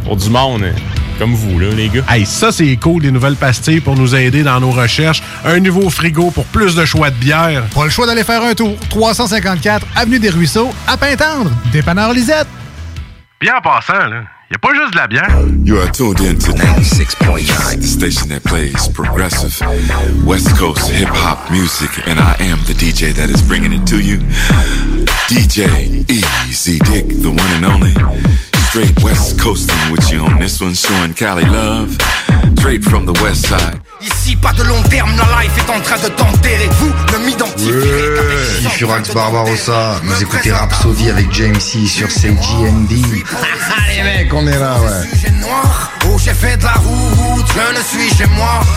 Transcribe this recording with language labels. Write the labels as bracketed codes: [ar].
[fr] Pour du monde, hein? Comme vous, là, les gars. Hey, ça, c'est cool, des nouvelles pastilles pour nous aider dans nos recherches. Un nouveau frigo pour plus de choix de bières. Pas le choix d'aller faire un tour. 354 Avenue des Ruisseaux, à Pintendre. Dépanneur Lisette. Bien en passant, là, y a pas juste de la bière. [en] You are tuned in to 96.9, the station that plays progressive West Coast hip hop music, and I am the DJ that is bringing it to you. DJ Easy Dick, the one and only. Straight West Coasting with you on this one, showing Cali love. Straight from the West Side. [fr] Ici, pas de long terme, la life est en train de t'enterrer. Vous ne m'identifiez pas. Ici, Furax Barbarossa. Vous écoutez Rhapsody avec James C sur CGND. Allez, mec, on est là, ouais. Je suis noir. Oh, j'ai fait de la route. Je ne suis chez moi.